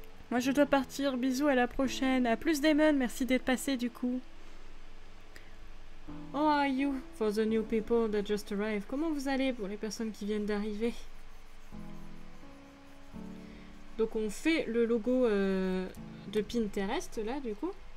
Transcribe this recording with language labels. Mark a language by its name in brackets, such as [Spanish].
[French] Moi je dois partir, bisous, à la prochaine. À plus Damon, merci d'être passé du coup. [English] How are you for the new people that just arrived? [French] Comment vous allez pour les personnes qui viennent d'arriver? Donc on fait le logo de Pinterest là du coup.